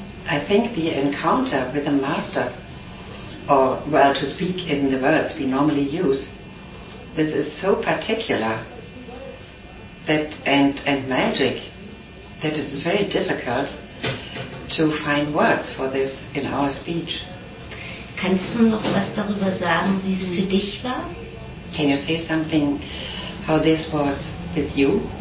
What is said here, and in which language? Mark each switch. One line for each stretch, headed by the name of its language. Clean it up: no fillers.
English: I think the encounter with a master, or well, to speak in the words we normally use, this is so particular, that and magic, that is very difficult to find words for this in our speech.
German: Kannst du noch was darüber sagen, wie es für dich war?
English: Can you say something how this was with you?